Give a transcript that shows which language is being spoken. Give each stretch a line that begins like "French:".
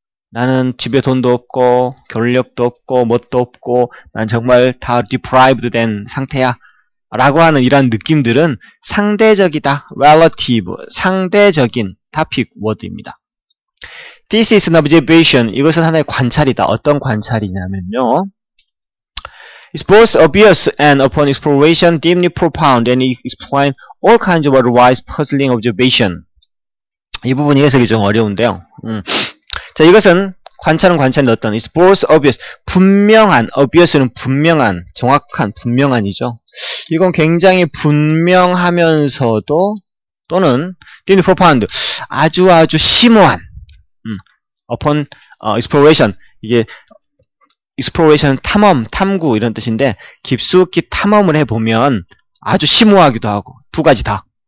Korean: 나는 집에 돈도 없고 결력도 없고 뭣도 없고 난 정말 다 deprived 된 상태야 라고 하는 이런 느낌들은 상대적이다, relative, 상대적인 topic word입니다.
English: This is an observation.
Korean: 이것은 하나의 관찰이다. 어떤 관찰이냐면요,
English: It's both obvious and upon exploration deeply profound and explain all kinds of otherwise puzzling observation.
Korean: 이 부분이 해석이 좀 어려운데요. 자, 이것은 관찰은 관찰인데 어떤
English: It's both obvious,
Korean: 분명한, obvious는 분명한, 정확한, 분명한이죠. 이건 굉장히 분명하면서도 또는
English: deeply profound,
Korean: 아주 아주 심오한
English: upon exploration,
Korean: 이게 exploration은 탐험, 탐구 이런 뜻인데 깊숙이 탐험을 해보면 아주 심오하기도 하고 두 가지 다